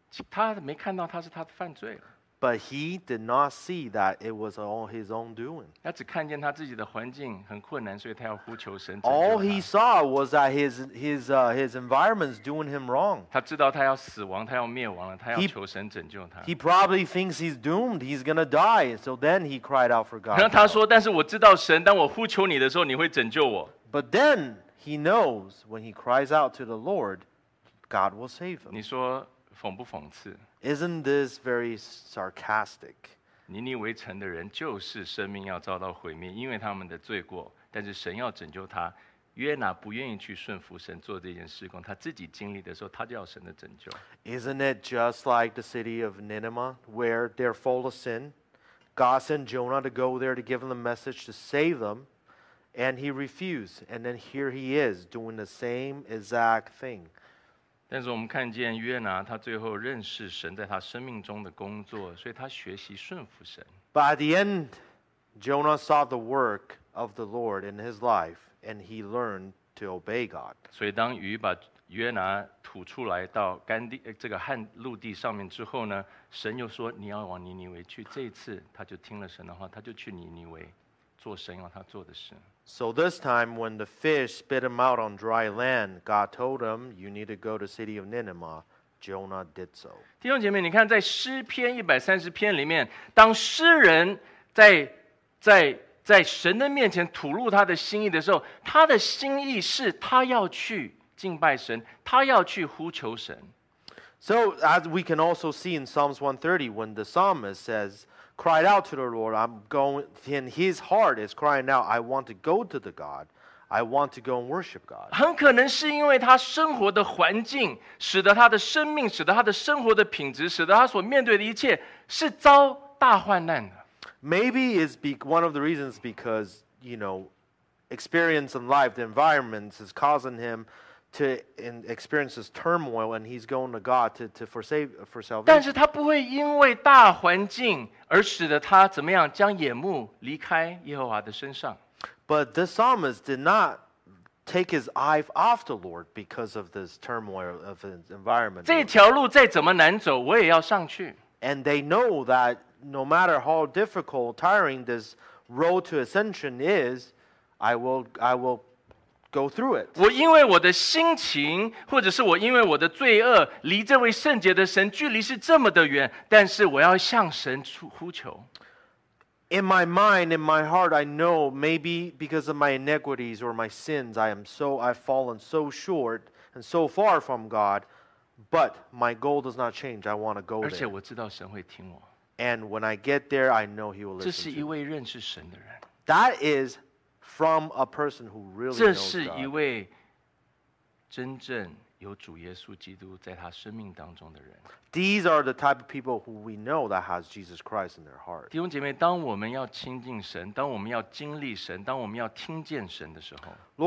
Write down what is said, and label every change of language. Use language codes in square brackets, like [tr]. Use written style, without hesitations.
[zh] 他没看到他是他的犯罪了。 [en] But he did not see that it was all his own doing. [zh] 他只看见他自己的环境很困难，所以他要呼求神拯救他。 [en] All he saw was that his environment is doing him wrong. [zh] 他知道他要死亡，他要灭亡了，他要求神拯救他。 [en] He probably thinks he's doomed. He's gonna die. So then he cried out for God. [zh] 然后他说：“但是我知道神，当我呼求你的时候，你会拯救我。” [en] But then he knows when he cries out to the Lord, God will save him. [zh] 你说讽不讽刺？ [en] Isn't this very sarcastic? [zh] 尼尼微城的人就是生命要遭到毁灭，因为他们的罪过。但是神要拯救他，约拿不愿意去顺服神做这件事工，他自己经历的时候，他就要神的拯救。 [en] Isn't it just like the city of Nineveh, where they're full of sin? God sent Jonah to go there to give them the message to save them, and he refused. And then here he is doing the same exact thing. [zh] 但是我们看见约拿，他最后认识神在他生命中的工作，所以他学习顺服神。 [en] But at the end, Jonah saw the work of the Lord in his life, and he learned to obey God. [zh] 所以当鱼把约拿吐出来到干地这个旱陆地上面之后呢，神又说你要往尼尼微去。这一次他就听了神的话，他就去尼尼微做神要他做的事。 [en] So this time, when the fish spit him out on dry land, God told him, "You need to go to the city of Nineveh." Jonah did so. [zh] 弟兄姐妹，你看，在诗篇一百三十篇里面，当诗人在神的面前吐露他的心意的时候，他的心意是他要去敬拜神，他要去呼求神。 [en] So as we can also see in Psalms 130, when the psalmist says. Cried out to the Lord, I'm going, and his heart is crying out, I want to go to the God, I want to go and worship God. [zh] 很可能是因为他生活的环境，使得他的生命，使得他的生活的品质，使得他所面对的一切是遭大患难的。 [en] Maybe it's one of the reasons because, you know, experience in life, the environment is causing him to experience this turmoil, and he's going to God for salvation. [zh] 但是他不会因为大环境而使得他怎么样将眼目离开耶和华的身上。 [en] But the psalmist did not take his eye off the Lord because of this turmoil of his environment. [zh] 这条路再怎么难走，我也要上去。 [en] And they know that no matter how difficult, tiring this road to ascension is, I will. Go through it. [zh] 我因为我的心情，或者是我因为我的罪恶，离这位圣洁的神距离是这么的远，但是我要向神呼求。 [en] In my mind, in my heart, I know maybe because of my iniquities or my sins, I've fallen so short and so far from God, but my goal does not change. I want to go there. [zh] 而且我知道神会听我。 [en] And when I get there, I know He will listen. [zh] 这是一位认识神的人。 [en] That is. From a person who really knows God. [zh] 这是一位真正有主耶稣基督在他生命当中的人。 [en] These are the type of people who we know that has Jesus Christ in their heart. [zh] 弟兄姐妹，当我们要亲近神，当我们要经历神，当我们要听见神的时候